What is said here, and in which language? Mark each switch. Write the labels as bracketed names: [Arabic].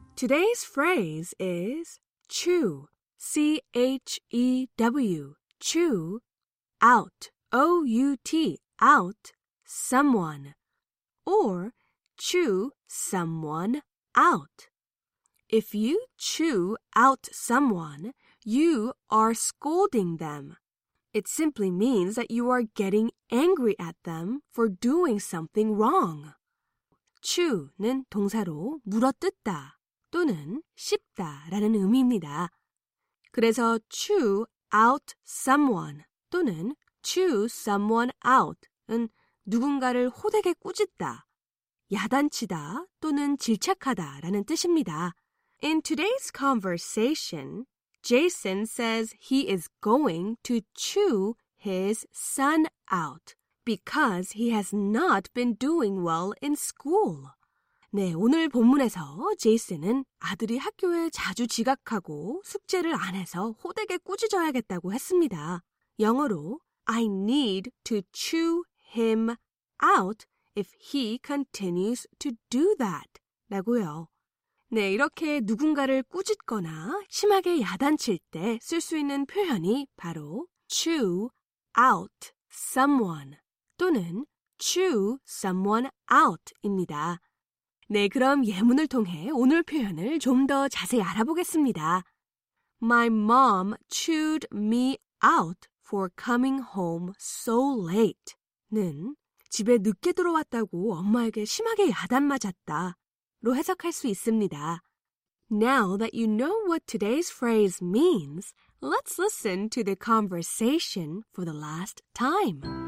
[English] Today's phrase is chew, C-H-E-W, chew, out, O-U-T, out, someone, or chew someone out. If you chew out someone, you are scolding them. It simply means that you are getting angry at them for doing something wrong. [Korean] Chew는 동사로 물어뜯다 또는 씹다라는 의미입니다. 그래서 chew out someone 또는 chew someone out은 누군가를 호되게 꾸짖다, 야단치다 또는 질책하다라는 뜻입니다. [English] In today's conversation, Jason says he is going to chew his son out because he has not been doing well in school. [Korean] 네, 오늘 본문에서 제이슨은 아들이 학교에 자주 지각하고 숙제를 안 해서 호되게 꾸짖어야겠다고 했습니다. 영어로 [English] I need to chew him out if he continues to do that [Korean] 라고요. 네, 이렇게 누군가를 꾸짖거나 심하게 야단칠 때 쓸 수 있는 표현이 바로 chew out someone 또는 chew someone out입니다. 네, 그럼 예문을 통해 오늘 표현을 좀 더 자세히 알아보겠습니다. [English] My mom chewed me out for coming home so late [Korean] 는 집에 늦게 들어왔다고 엄마에게 심하게 야단 맞았다. 로 해석할 수 있습니다. [English] Now that you know what today's phrase means, let's listen to the conversation for the last time.